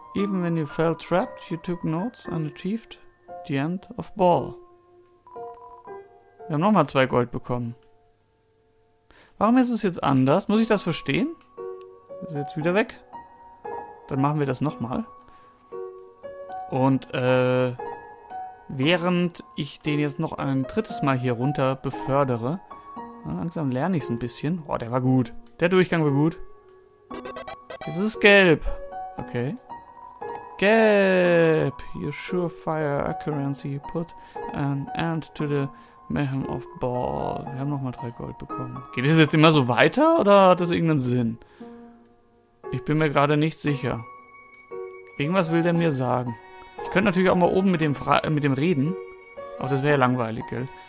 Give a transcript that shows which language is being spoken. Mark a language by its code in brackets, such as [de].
[en] Even when you felt trapped, you took notes and achieved the end of ball. [de] Wir haben nochmal 2 Gold bekommen. Warum ist es jetzt anders? Muss ich das verstehen? Ist jetzt wieder weg. Dann machen wir das nochmal. Und während ich den jetzt noch ein drittes Mal hier runter befördere, langsam lerne ich es ein bisschen. Oh, der war gut. Der Durchgang war gut. Jetzt ist es gelb. Okay. Gelb. [en] Your surefire accuracy put an end to the mayhem of ball. [de] Wir haben nochmal 3 Gold bekommen. Geht es jetzt immer so weiter oder hat das irgendeinen Sinn? Ich bin mir gerade nicht sicher. Irgendwas will der mir sagen. Ich könnte natürlich auch mal oben mit dem reden. Aber das wäre ja langweilig, gell?